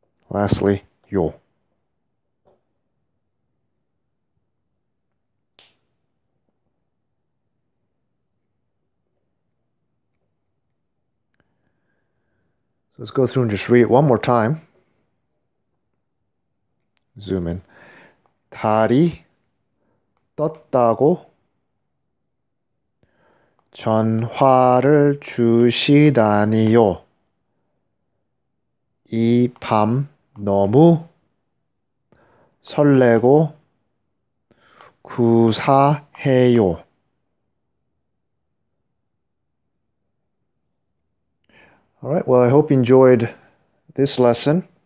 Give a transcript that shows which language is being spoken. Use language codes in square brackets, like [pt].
[en] Lastly, yo. Let's go through and just read it one more time. Zoom in. [ko] 달이 떴다고 전화를 주시다니요. 이 밤 너무 설레고 구사해요. [en] All right, well, I hope you enjoyed this lesson. I'll bring you another handwriting lesson